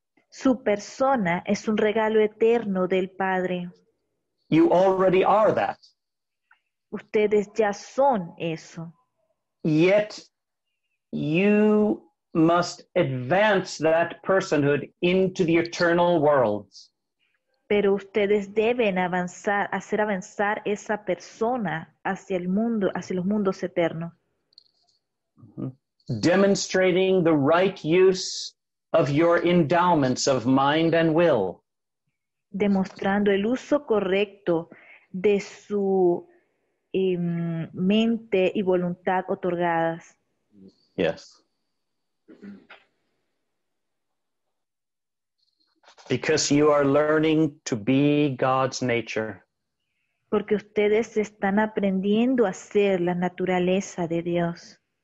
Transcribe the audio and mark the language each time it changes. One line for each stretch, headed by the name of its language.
Spanish: Su persona es un regalo eterno del Padre.
English: You already are that.
Spanish: Ustedes ya son eso.
English: Yet you must advance that personhood into the eternal worlds.
Spanish: Pero ustedes deben avanzar, hacer avanzar esa persona hacia el mundo, hacia los mundos eternos.
English: Demonstrating the right use of your endowments of mind and will.
Spanish: Demostrando el uso correcto de su mente y voluntad otorgadas.
English: Yes. Because you are learning to be God's nature.
Spanish: Porque ustedes están aprendiendo a ser la naturaleza de Dios.